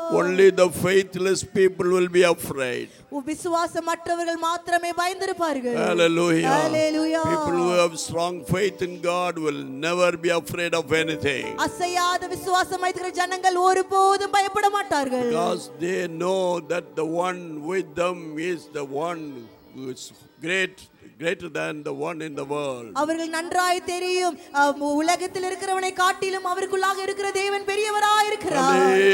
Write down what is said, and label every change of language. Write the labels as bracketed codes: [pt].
[en] Only the faithless people will be afraid. [ta] விசுவாசமற்றவர்கள் மாத்திரமே பயந்திருப்பார்கள். [en] Hallelujah. Hallelujah. People who have strong faith in God will never be afraid of anything. [ta] அசையாத விசுவாசம் வைத்திருக்கிற ஜனங்கள் ஒருபோதும் பயப்பட மாட்டார்கள். [en] Because they know that the one with them is the one who is great. Greater than the one in the world. [ta] அவர்கள் நன்றாய் தெரியும், உலகத்தில் இருக்கிறவனை காட்டிலும் அவருக்குள்ளாக இருக்கிற தேவன் பெரியவராய் இருக்கிறார்.